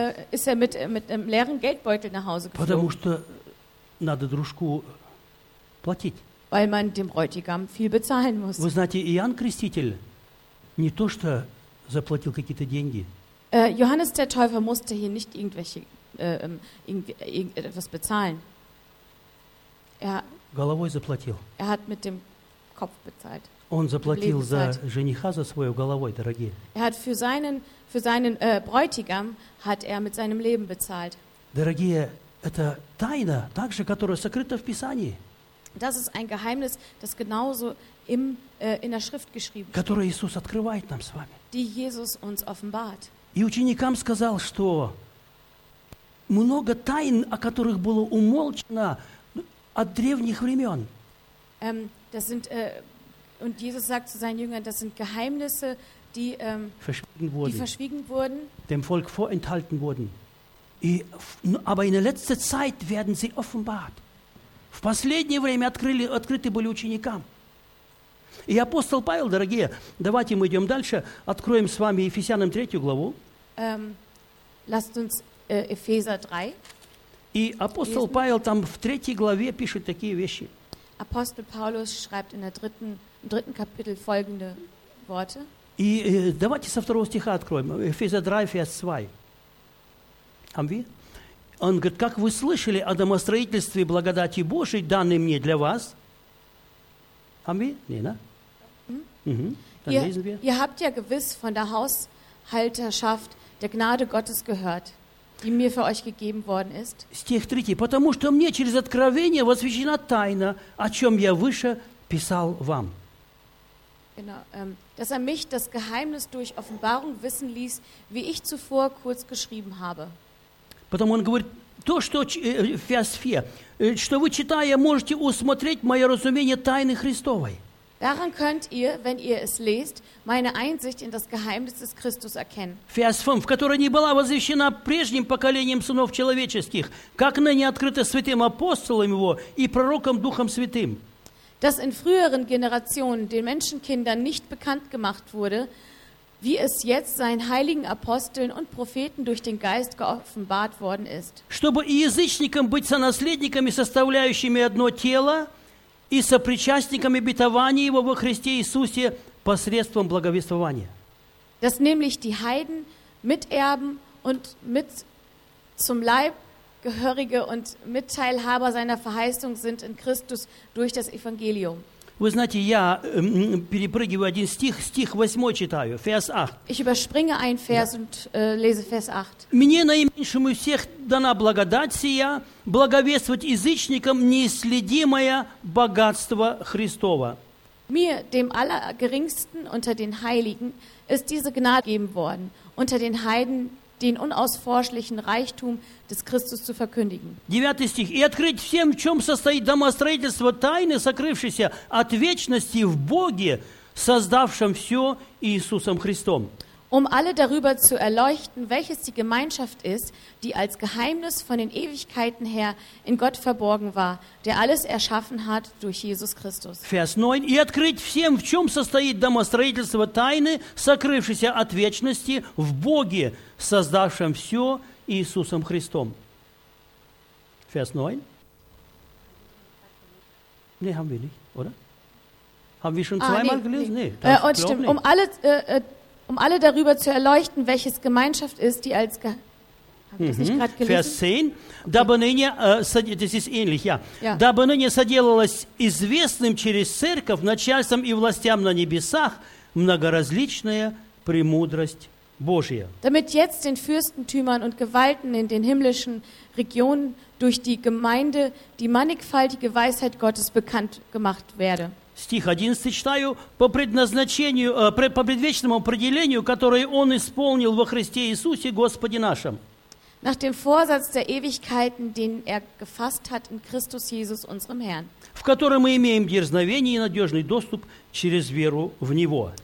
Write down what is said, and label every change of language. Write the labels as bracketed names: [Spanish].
[German] Ist er mit einem leeren Geldbeutel nach Hause geflogen? [Russian] Потому что надо дружку платить. [German] Weil man dem Bräutigam viel bezahlen muss. [Russian] Вы знаете, Иоанн Креститель не то что заплатил какие-то деньги. [German] Johannes der Täufer musste hier nicht irgendwelche irgendetwas bezahlen. [Russian] Головой заплатил. [German] Er hat mit dem Kopf bezahlt. [Russian] Он заплатил за жениха за свою головой, дорогие. [German] Er hat für seinen Bräutigam hat er mit seinem Leben bezahlt. [Russian] Дорогие, Это тайна, также которая сокрыта в Писании. [German] Das ist ein Geheimnis, das genauso im in der Schrift geschrieben ist. [Russian] Которое Иисус открывает нам с вами. [German] Die Jesus uns offenbart. [Russian] И ученикам сказал, что много тайн, о которых было умолчено от древних времен. [German] Das sind und Jesus sagt zu seinen Jüngern, das sind Geheimnisse, die verschwiegen wurden, dem Volk vorenthalten wurden. И, aber in der letzten Zeit werden sie offenbart. [Russian] В последнее время открыты были ученикам. И апостол Павел, дорогие, давайте мы идем дальше, откроем с вами Ефесянам 3 главу. [German] Lasst uns Epheser 3. [Russian] И апостол lesen. Павел там в 3 главе пишет такие вещи. [German] Апостол Павел schreibt in der dritten, im dritten Kapitel folgende Worte. [Russian] И давайте со второго стиха откроем. [German] Эфеса 3, Vers 2. Haben wir? [Russian] Он говорит, как вы слышали о домостроительстве благодати Божией, данной мне для вас? [German] Haben wir? Nee, ne? Ihr habt ja gewiss von der Haushalterschaft der Gnade Gottes gehört, die mir für euch gegeben worden ist. [Russian] Стих 3. Потому что мне через откровение возвещена тайна, о чем я выше писал вам. [German] Genau, dass er mich das Geheimnis durch Offenbarung wissen ließ, wie ich zuvor kurz geschrieben habe. [Russian] Потом он говорит, то, что Феосфе, что вы, читая, можете усмотреть мое разумение тайны Христовой. [German] Daran könnt ihr, wenn ihr es lest, meine Einsicht in das Geheimnis des Christus erkennen. [Russian] Vers 5, которая не была возвещена прежним поколением сынов человеческих, как ныне открыта святым апостолом его и пророком Духом Святым. [German] Das in früheren Generationen den Menschenkindern nicht bekannt gemacht wurde, wie es jetzt seinen heiligen Aposteln und Propheten durch den Geist geoffenbart worden ist. [Russian] Чтобы и язычникам быть сонаследниками, составляющими одно тело, и сопричастниками обетования его во Христе Иисусе посредством благовествования. [German] Dass nämlich die Heiden Miterben und mit zum Leib gehörige und Mitteilhaber seiner Verheißung sind in Christus durch das Evangelium. [Russian] Вы знаете, я перепрыгиваю один стих, стих 8 читаю, Vers 8. [German] Ich überspringe einen Vers und lese Vers 8. [Russian] Мне наименьшему из всех дана благодать сия, благовествовать язычникам неисследимое богатство Христово. [German] Mir, dem Allergeringsten unter den Heiligen, ist diese Gnade gegeben worden, unter den Heiden, den unausforschlichen Reichtum des Christus zu verkündigen. [Russian] 9. стих. И открыть всем, в чем состоит домостроительство тайны, сокрывшейся от вечности в Боге, создавшем все Иисусом Христом. [German] Um alle darüber zu erleuchten, welches die Gemeinschaft ist, die als Geheimnis von den Ewigkeiten her in Gott verborgen war, der alles erschaffen hat durch Jesus Christus. Vers 9. [Russian] И открыть всем, в чем состоит домостроительство тайны, сокрывшейся от вечности в Боге, создавшем все Иисусом Христом. [German] Vers 9. Не, haben wir nicht, oder? Haben wir schon zweimal gelesen? Nee, das glaub stimmt, nicht. Um alle... Um alle darüber zu erleuchten, welches Gemeinschaft ist, die als Vers 10, [Russian] дабы ныне, [German] das ist ähnlich, ja. [Russian] Дабы ныне соделалось известным через церковь, начальством и властям на небесах многоразличная премудрость Божия. [German] Damit jetzt den Fürstentümern und Gewalten in den himmlischen Regionen durch die Gemeinde die mannigfaltige Weisheit Gottes bekannt gemacht werde. [Russian] Стих 11 читаю, по предназначению, по предвечному определению, которое Он исполнил во Христе Иисусе, Господе нашем. [German] Nach dem Vorsatz der Ewigkeiten, den er gefasst hat in Christus Jesus, unserem Herrn. [Russian] В котором мы имеем дерзновение и надежный доступ через веру в Него.